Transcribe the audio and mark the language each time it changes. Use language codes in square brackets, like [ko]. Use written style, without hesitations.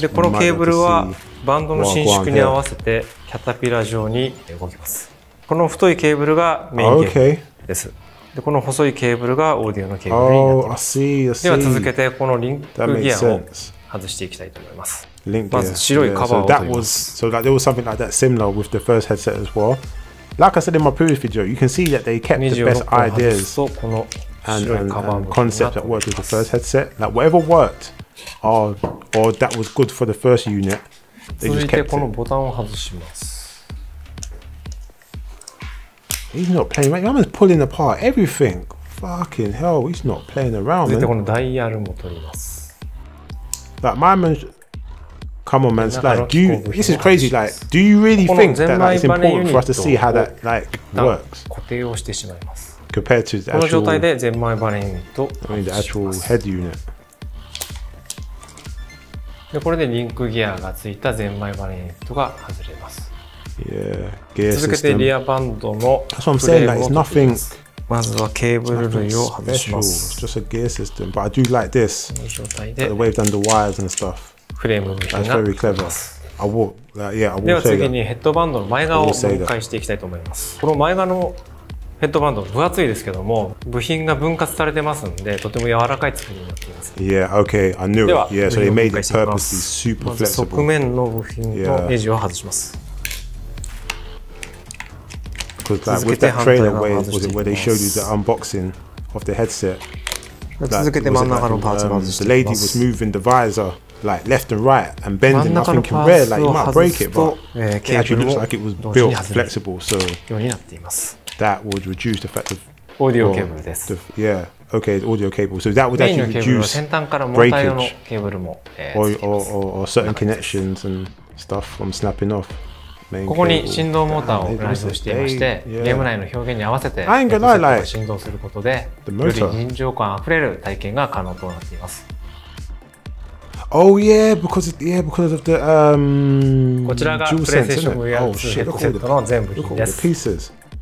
[ja] でこのケーブルはバンドの伸縮に合わせてキャタピラ状に動きます。この太いケーブルがメインケーブルです。でこの細いケーブルがオーディオのケーブルになっています。 [en] I see, I see. [ja] では続けてこのリンクギアを外していきたいと思います。まず白いカバーを取ります。 [en] So that there was something like that similar with the first headset as well. Like I said in my previous video, you can see that they kept the best ideas and concepts that worked with the first headset. Like whatever worked or that was good for the first unit, they just kept it. [ja] 続いてこのボタンを外します。 [en] He's not playing around. I'm just pulling apart everything. Fucking hell, he's not playing around, man. [ja] 続いてこのダイヤルも取ります。 [en] Like, my man, come on, man. Like, do you, this is crazy. Like, do you really think that like, it's important for us to see how that like, works? [ja] 固定をしてしまいます。 [en] Compared to the actual, [ja] この状態でゼンマイバネユニットを外します。 [en] The actual head unit. [ja] で、これでリンクギアがついたゼンマイバネユニットが外れます。 [en] Yeah, [ja] 続けてリアバンドのフレームを取ります。まずはケーブル類を外します。 [en] It's just a gear system, but I do like this. Like the way they've done the wires and stuff. [ja] フレーム部品が。 [en] That's very clever. I will, yeah, I will [ja] では次にヘッドバンドの前側を分解していきたいと思います。この前側のヘッドバンド分厚いですけども部品が分割されてますんでとても柔らかい作りになっています。 [en] Yeah, okay, I knew it. Yeah, so they made it purposely super flexible. まず側面の部品とネジを外します。 Because like with that trailer, where they showed you the unboxing of the headset, the lady was moving the visor like left and right and bending. Nothing can rear, like you might break it, but it actually looks like it was built flexible. So that would reduce the fact of audio cable. Yeah. Okay. The audio cable. So that would actually reduce breakage or certain connections and stuff from snapping off. [ja] ここに振動モーターを内蔵していまして、ゲーム内の表現に合わせて、振動することで、より臨場感あふれる体験が可能となっています。 [en] Oh yeah, because of the, [ja] こちらがプレイステーション VR2 ヘッドセットの全部品です。